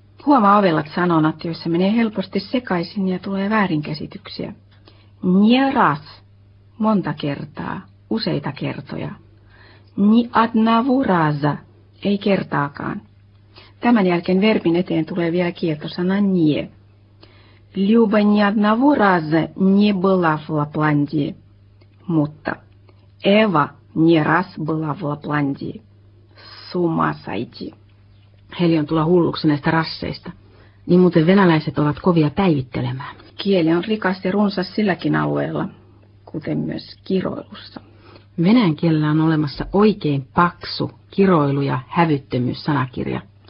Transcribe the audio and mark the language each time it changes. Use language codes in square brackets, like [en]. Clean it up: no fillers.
[fi] Huomaa ovelat sanonat, joissa menee helposti sekaisin ja tulee väärinkäsityksiä. [ru] Ni raz. [fi] Monta kertaa. Useita kertoja. [ru] Ni одного раза. [fi] Ei kertaakaan. Tämän jälkeen verbin eteen tulee vielä kieltosana nie. [ru] Люба ни одного раза не была в Лапландии. [fi] Mutta. [ru] Eva ни раз была в Лапландии. С ума сойти. [fi] Heli on tulla hulluksi näistä rasseista. Niin muuten venäläiset ovat kovia päivittelemään. Kieli on rikas ja runsas silläkin alueella, kuten myös kiroilussa. Venäjän kielellä on olemassa oikein paksu kiroilu- ja hävyttömyyssanakirja.